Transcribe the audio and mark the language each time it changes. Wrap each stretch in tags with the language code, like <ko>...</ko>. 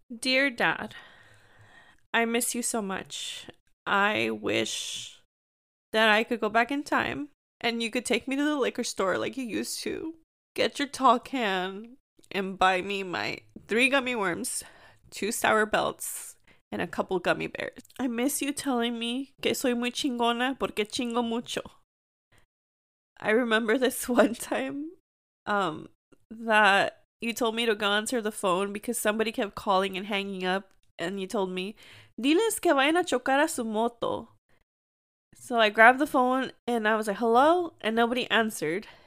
<en>Dear Dad, I miss you so much. I wish that I could go back in time and you could take me to the liquor store like you used to. Get your tall can and buy me my 3 gummy worms, 2 sour belts, and a couple gummy bears. I miss you telling me</en> <es>que soy muy chingona porque chingo mucho.</es> <en>I remember this one time that you told me to go answer the phone because somebody kept calling and hanging up, and you told me,</en> <es>diles que vayan a chocar a su moto.</es> <en>So I grabbed the phone and I was like, hello? And nobody answered.</en>